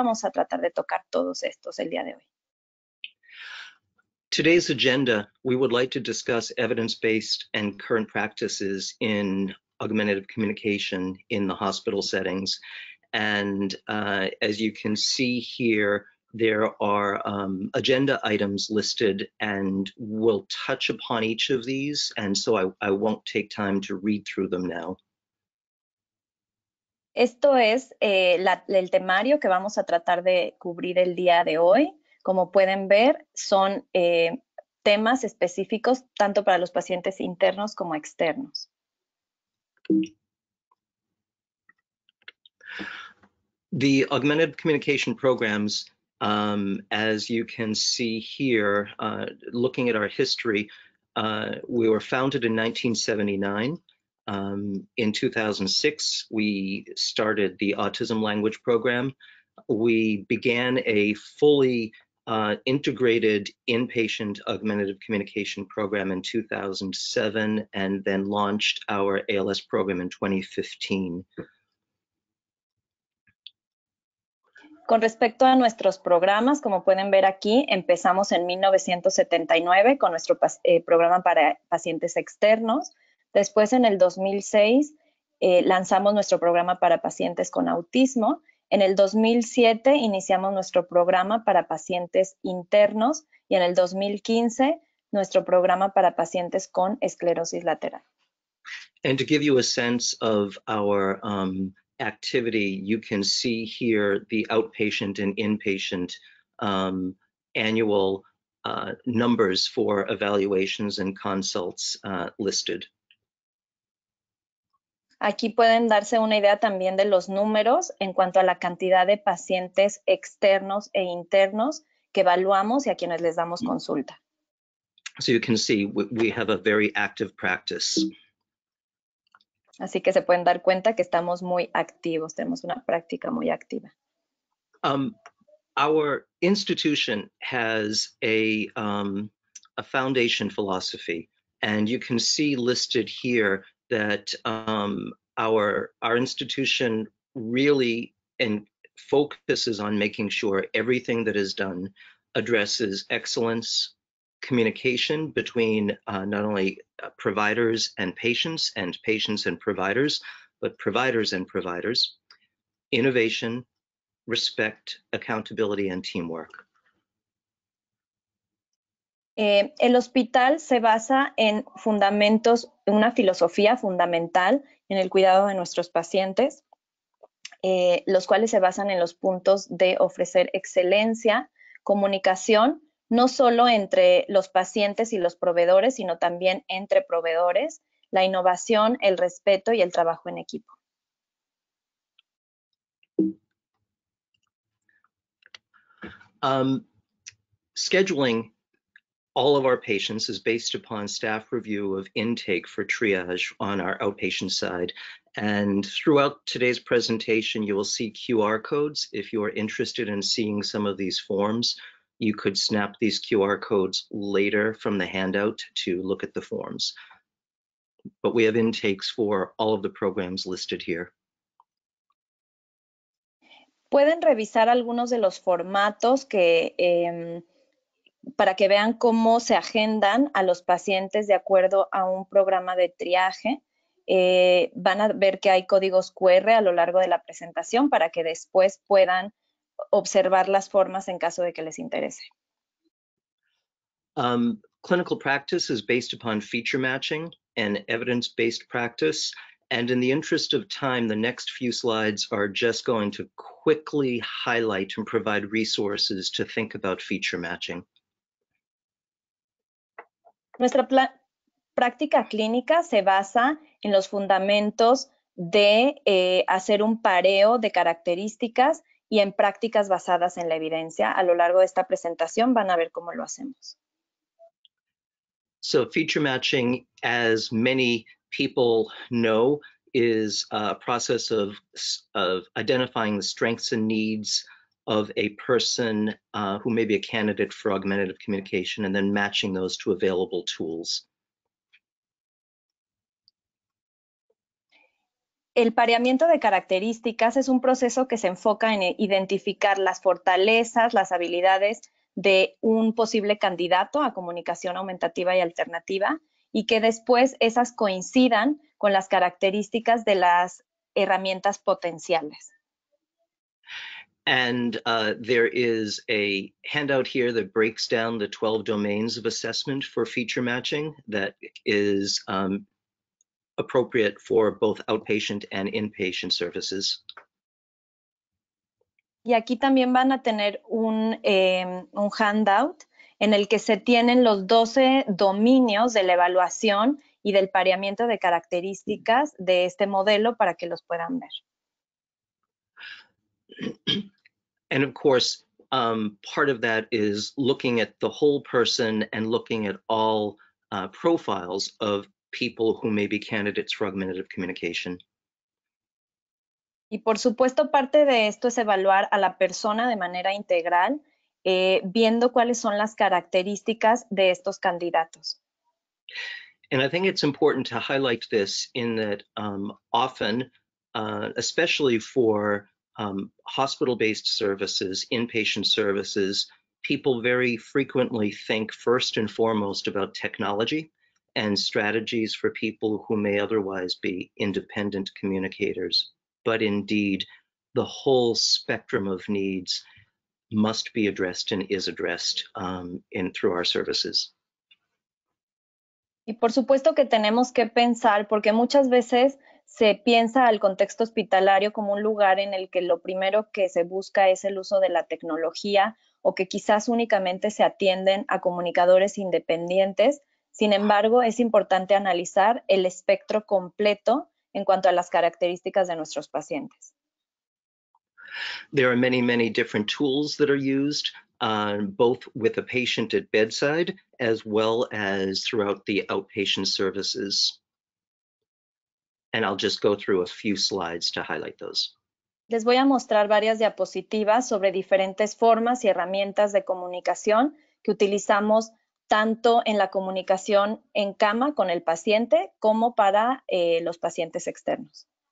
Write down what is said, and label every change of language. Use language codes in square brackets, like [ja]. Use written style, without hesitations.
[es] Vamos a tratar de tocar todos estos el día de hoy. [en] Today's agenda, we would like to discuss evidence-based and current practices in augmentative communication in the hospital settings. And as you can see here, there are agenda items listed, and we'll touch upon each of these. And so I won't take time to read through them now. [es] Esto es el temario que vamos a tratar de cubrir el día de hoy. Como pueden ver, son temas específicos tanto para los pacientes internos como externos. [en] The Augmentative Communication Programs, as you can see here, looking at our history, we were founded in 1979. In 2006, we started the Autism Language Program. We began a fully integrated inpatient augmentative communication program in 2007, and then launched our ALS program in 2015. [es] Con respecto a nuestros programas, como pueden ver aquí, empezamos en 1979 con nuestro programa para pacientes externos. Después, en el 2006, lanzamos nuestro programa para pacientes con autismo. En el 2007 iniciamos nuestro programa para pacientes internos y en el 2015 nuestro programa para pacientes con esclerosis lateral. [en] And to give you a sense of our activity, you can see here the outpatient and inpatient annual numbers for evaluations and consults listed. [es] Aquí pueden darse una idea también de los números en cuanto a la cantidad de pacientes externos e internos que evaluamos y a quienes les damos consulta. [en] So you can see we have a very active practice. [es] Así que se pueden dar cuenta que estamos muy activos, tenemos una práctica muy activa. [en] Our institution has a foundation philosophy, and you can see listed here that our institution really focuses on making sure everything that is done addresses excellence, communication between not only providers and patients and providers, but providers and providers, innovation, respect, accountability, and teamwork. [es] El hospital se basa en fundamentos, una filosofía fundamental en el cuidado de nuestros pacientes, los cuales se basan en los puntos de ofrecer excelencia, comunicación, no solo entre los pacientes y los proveedores, sino también entre proveedores, la innovación, el respeto y el trabajo en equipo. [en] Scheduling all of our patients is based upon staff review of intake for triage on our outpatient side. And throughout today's presentation, you will see QR codes. If you are interested in seeing some of these forms, you could snap these QR codes later from the handout to look at the forms. But we have intakes for all of the programs listed here. [es] Pueden revisar algunos de los formatos que para que vean cómo se agendan a los pacientes de acuerdo a un programa de triaje. Van a ver que hay códigos QR a lo largo de la presentación para que después puedan observar las formas en caso de que les interese. [en] Clinical practice is based upon feature matching and evidence-based practice. And in the interest of time, the next few slides are just going to quickly highlight and provide resources to think about feature matching. [es] Nuestra práctica clínica se basa en los fundamentos de hacer un pareo de características y en prácticas basadas en la evidencia. A lo largo de esta presentación van a ver cómo lo hacemos. [en] So feature matching, as many people know, is a process of identifying the strengths and needs of a person who may be a candidate for augmentative communication and then matching those to available tools. [es] El pareamiento de características es un proceso que se enfoca en identificar las fortalezas, las habilidades de un posible candidato a comunicación aumentativa y alternativa y que después esas coincidan con las características de las herramientas potenciales. [en] And there is a handout here that breaks down the 12 domains of assessment for feature matching that is appropriate for both outpatient and inpatient services. [es] Y aquí también van a tener un handout en el que se tienen los 12 dominios de la evaluación y del pareamiento de características de este modelo para que los puedan ver. [en] And of course, part of that is looking at the whole person and looking at all profiles of people who may be candidates for augmentative communication. [es] Y por supuesto, parte de esto es evaluar a la persona de manera integral, viendo cuáles son las características de estos candidatos. [en] And I think it's important to highlight this in that often, especially for hospital-based services, inpatient services, people very frequently think first and foremost about technology and strategies for people who may otherwise be independent communicators. But indeed, the whole spectrum of needs must be addressed and is addressed through our services. [es] Y por supuesto que tenemos que pensar, porque muchas veces se piensa al contexto hospitalario como un lugar en el que lo primero que se busca es el uso de la tecnología o que quizás únicamente se atienden a comunicadores independientes. Sin embargo, es importante analizar el espectro completo en cuanto a las características de nuestros pacientes. [en] There are many, many different tools that are used, both with a patient at bedside as well as throughout the outpatient services. And I'll just go through a few slides to highlight those. [es] Les voy a mostrar varias diapositivas sobre diferentes formas y herramientas de comunicación que utilizamos tanto en la comunicación en cama con el paciente como para los pacientes externos.